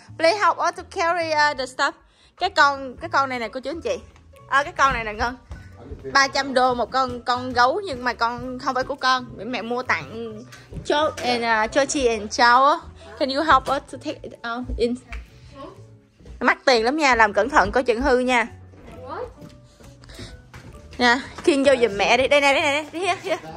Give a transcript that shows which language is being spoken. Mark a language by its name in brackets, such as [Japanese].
[English] Please help us to carry the stuff. [Vietnamese] Cái con này nè cô chú anh chị. À, cái con này nè Ngân. $300 một con gấu, nhưng mà con không phải của con. Mẹ mua tặng Joe and Georgie and Joe. [English] Can you help us to take it out in? [Vietnamese] Mắc tiền lắm nha, làm cẩn thận coi chừng hư nha. Nè, khiêng vô giùm mẹ đi. Đây nè, đây nè, đi.